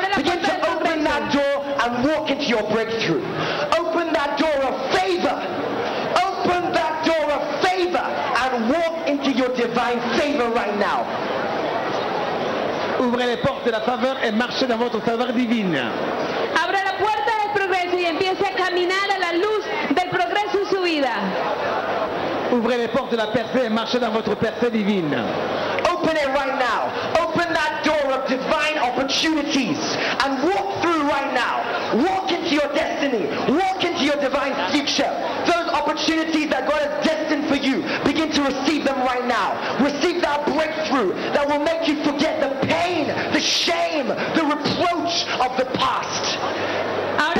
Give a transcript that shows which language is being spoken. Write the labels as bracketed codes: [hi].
[en] Begin to open that door and walk into your breakthrough. Open that door of favor. Open that door of favor and walk into your divine favor right now. [fr] Ouvrez les portes de la faveur et marchez dans votre faveur divine. [es] Abre la puerta del progreso y empiece a caminar a la luz del progreso en su vida. [fr] Ouvrez les portes de la percée et marchez dans votre percée divine. [en] Open it right now. Open that door of divine opportunities and walk through right now. Walk into your destiny. Walk into your divine future. Those opportunities that God has destined for you, begin to receive them right now. Receive that breakthrough that will make you forget the pain, the shame, the reproach of the past.